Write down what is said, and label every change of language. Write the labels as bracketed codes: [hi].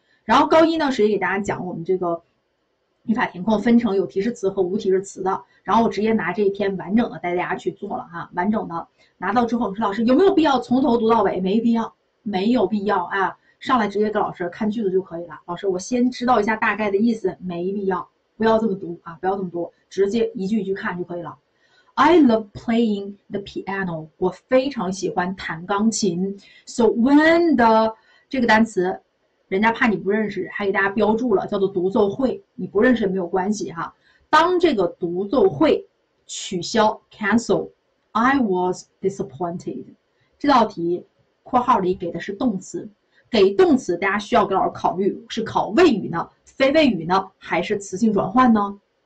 [zh] 然后高一呢，师姐给大家讲我们这个语法填空分成有提示词和无提示词的，然后我直接拿这一篇完整的带大家去做了哈，完整的拿到之后，说老师有没有必要从头读到尾？没必要，没有必要啊。上来直接给老师看句子就可以了。老师，我先知道一下大概的意思，没必要，不要这么读啊，不要这么多，直接一句一句看就可以了。 [en] I love playing the piano， [zh] 我非常喜欢弹钢琴。 So when the 这个单词，人家怕你不认识，还给大家标注了，叫做独奏会。你不认识也没有关系哈。当这个独奏会取消 cancel， [en] I was disappointed。 [zh] 这道题括号里给的是动词。给动词，大家需要给老师考虑是考谓语呢、非谓语呢，还是词性转换呢？